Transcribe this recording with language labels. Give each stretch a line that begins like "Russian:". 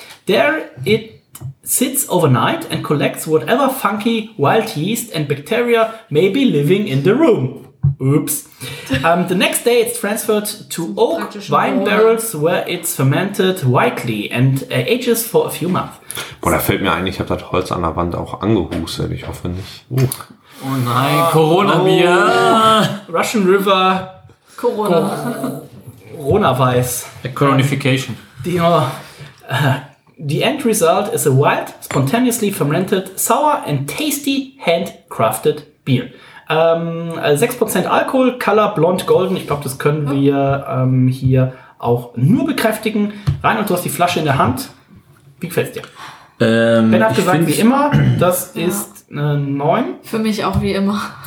English: There it sits overnight and collects whatever funky wild yeast and bacteria may be living in the room. Oops. The next day it's transferred to oak wine barrels where it's fermented whitely and ages for a few months.
German: Boah, da fällt mir ein, ich habe das Holz an der Wand auch angehustet. Ich hoffe nicht. Oh nein, Corona-Bier. Oh. Russian River. Corona. Corona-Weiß.
English: A Coronification. The end result is a wild, spontaneously fermented, sour and tasty handcrafted beer.
German: 6% Alkohol,
English: Color blond golden.
German: Ich glaube, das können wir hier auch nur bekräftigen. Rein und du hast die Flasche in der Hand. Wie gefällt es dir? Ben hat gesagt, wie immer, das ist eine 9. Für mich auch wie immer.